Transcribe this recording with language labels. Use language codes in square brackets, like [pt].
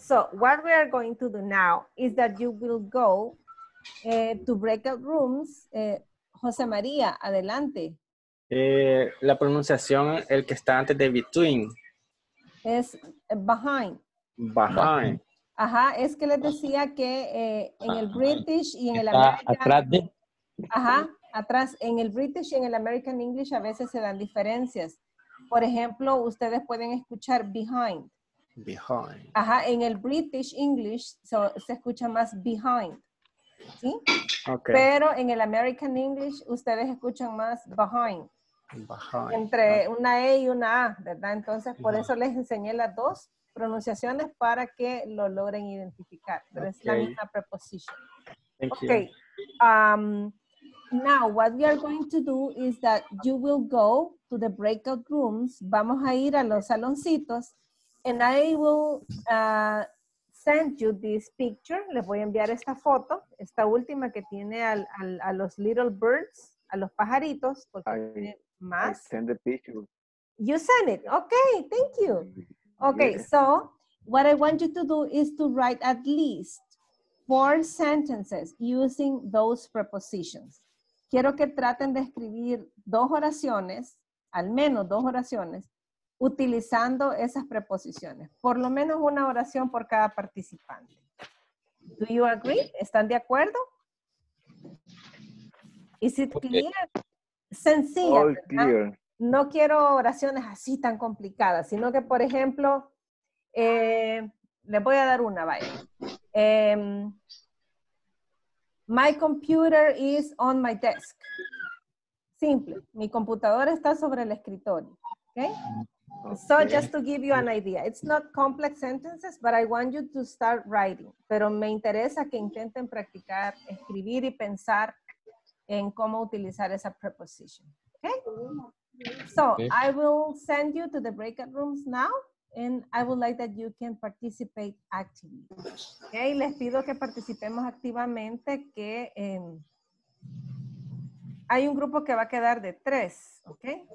[en] So what we are going to do now is that you will go to breakout rooms. [es] Jose Maria, adelante. La pronunciación, el que está antes de between. Es behind. [en] Behind. [es] Ajá, es que les decía que en el British y en el American. Atrás de. Ajá, atrás. En el British y en el American English a veces se dan diferencias. Por ejemplo, ustedes pueden escuchar behind. Behind. Ajá, en el British English se escucha más behind. ¿Sí? [en] Okay. [es] Pero en el American English ustedes escuchan más behind. [en] Behind. [es] Entre una E y una A, ¿verdad? Entonces, por eso les enseñé las dos pronunciaciones para que lo logren identificar. Pero okay. Es la misma preposición. [en] Thank you. Now, what we are going to do is that you will go to the breakout rooms. [es] Vamos a ir a los saloncitos. [en] And I will send you this picture. [es] Les voy a enviar esta foto, esta última que tiene a los [en] little birds, [es] a los pajaritos. Porque tiene más. [en] I send the picture. You send it. Okay, thank you. Okay, so what I want you to do is to write at least 4 sentences using those prepositions. [es] Quiero que traten de escribir 2 oraciones, al menos 2 oraciones, utilizando esas preposiciones. Por lo menos una oración por cada participante. [en] Do you agree? [es] ¿Están de acuerdo? [en] Is it clear? Sencilla. All clear. [es] No quiero oraciones así tan complicadas, sino que, por ejemplo, les voy a dar una, vaya. [en] My computer is on my desk. Simple. [es] Mi computadora está sobre el escritorio. [en] Okay? So just to give you an idea. It's not complex sentences, but I want you to start writing. [es] Pero me interesa que intenten practicar, escribir y pensar en cómo utilizar esa preposición. [en] Okay? So I will send you to the breakout rooms now. And I would like that you can participate actively. [es] Okay, les pido que participemos activamente, que hay un grupo que va a quedar de 3, okay?